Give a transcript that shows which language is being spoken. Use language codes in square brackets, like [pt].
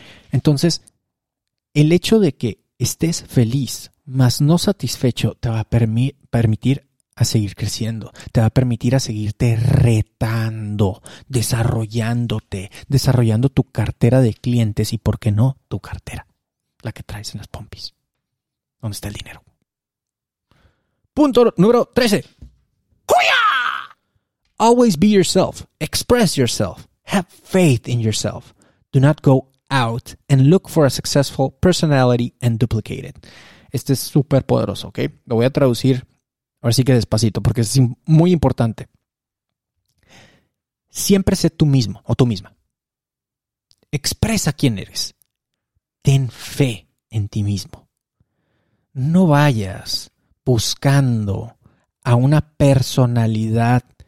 [es] Entonces, el hecho de que estés feliz más no satisfecho te va a permitir a seguir creciendo, te va a permitir a seguirte retando, desarrollando tu cartera de clientes y, ¿por qué no?, tu cartera, la que traes en las pompis, donde está el dinero. Punto número 13. ¡Huya! [en] Always be yourself, express yourself, have faith in yourself. Do not go out and look for a successful personality and duplicate it. [es] Este es súper poderoso, ¿ok? Lo voy a traducir. Ahora sí que despacito, porque es muy importante. Siempre sé tú mismo o tú misma. Expresa quién eres. Ten fe en ti mismo. No vayas buscando a una personalidad